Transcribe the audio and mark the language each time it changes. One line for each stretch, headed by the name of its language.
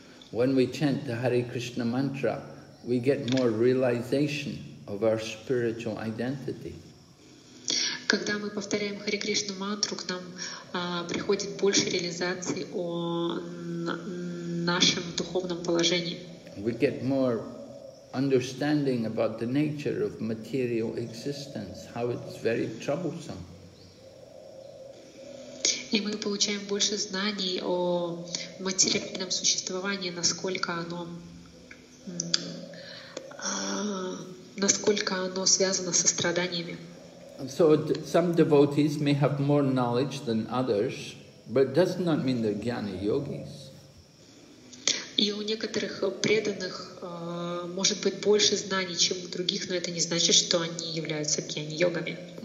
English: When we chant the Hare Krishna mantra, we get more realization of our spiritual identity.
Russian: Когда мы повторяем Хари Кришну мантру, к нам приходит больше реализации о нашем духовном положении.
English: We get more understanding about the nature of material existence, how it's very troublesome.
Russian: И мы получаем больше знаний о материальном существовании, насколько оно связано со страданиями.
English: So some devotees may have more knowledge than others, but it does not mean they're jnana yogis.
Russian: И у некоторых преданных может быть больше знаний, чем у других, но это не значит, что они являются jnana йогами.